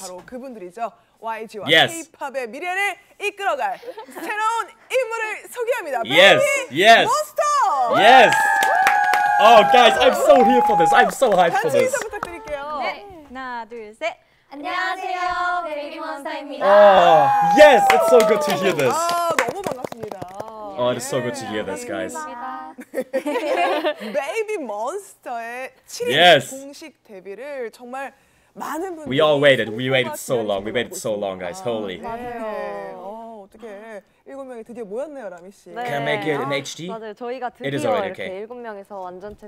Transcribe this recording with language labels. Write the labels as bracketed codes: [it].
[ko] 바로 그분들이죠. YG와 yes. K-POP의 미래를 이끌어갈 새로운 인물을 소개합니다. [en] Yes. Yes. Monster. Yes. Oh, guys, I'm so here for this. I'm so hyped for this. [ko] 단체 인사 부탁드릴게요. 네. 하나, 둘, 셋. 안녕하세요, 베이비몬스터입니다. [en] Oh, yes, it's so good to hear this. [ko] 너무 반갑습니다. [en] Oh, it's so good to hear this, guys. [ko] 베이비몬스터의 7인 공식 데뷔를 정말 많은 분들이 [en] We all waited. We waited so long. We waited so long, guys. Holy. [ko] 맞아요. 어떻게 일곱 명이 드디어 모였네요, 라미 씨. [en] Can I make it in HD? [ko] 맞아요. 저희가 드디어 이렇게 일곱 명에서 완전체